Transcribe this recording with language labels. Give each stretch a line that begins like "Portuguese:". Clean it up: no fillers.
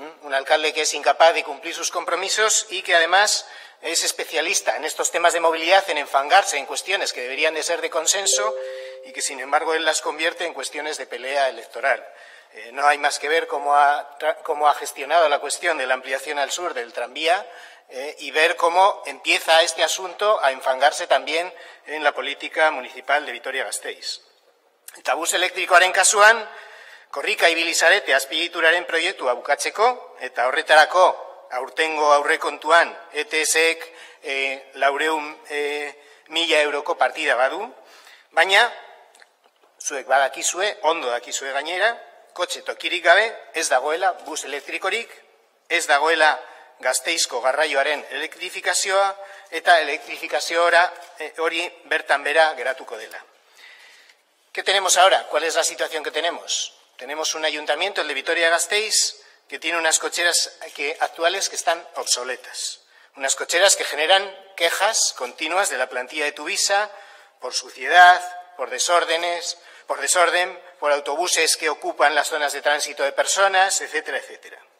Spanish: Un alcalde que es incapaz de cumplir sus compromisos y que además es especialista en estos temas de movilidad, en enfangarse en cuestiones que deberían de ser de consenso y que, sin embargo, él las convierte en cuestiones de pelea electoral. No hay más que ver cómo ha gestionado la cuestión de la ampliación al sur del tranvía y ver cómo empieza este asunto a enfangarse también en la política municipal de Vitoria-Gasteiz.
Basque: El tabús eléctricoaren kasuan, korrika ibili zarete azpiegituraren proiektua bukatzeko, eta horretarako aurtengo aurrekontuan ETS-ek 400.000 euroko partida badu, baina zuek badakizue, ondo dakizue gainera, kotxe tokirik gabe, ez dagoela bus elektrikorik, ez dagoela Gasteizko garraioaren elektrifikazioa, eta elektrifikazio hori bertan bera geratuko dela.
Spanish: ¿Qué tenemos ahora? ¿Cuál es la situación que tenemos? Tenemos un ayuntamiento, el de Vitoria-Gasteiz, que tiene unas cocheras actuales que están obsoletas. Unas cocheras que generan quejas continuas de la plantilla de Tuvisa por suciedad, por desórdenes, por desorden, por autobuses que ocupan las zonas de tránsito de personas, etcétera, etcétera.